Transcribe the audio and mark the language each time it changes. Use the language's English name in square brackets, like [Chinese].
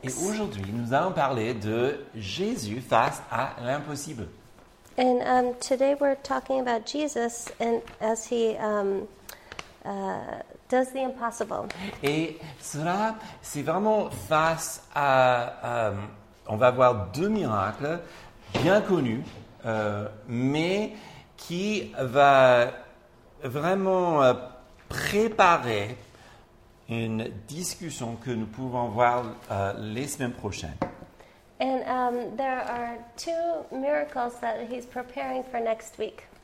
[French] Et aujourd'hui, nous allons parler de Jésus face à l'impossible. [English] And today we're talking about Jesus and as he does the impossible. [French] Et cela, c'est vraiment face à on va voir deux miracles bien connus mais qui va vraiment préparer une discussion que nous pouvons voir les semaines prochaines. [English] And there are two miracles that he's preparing for next week.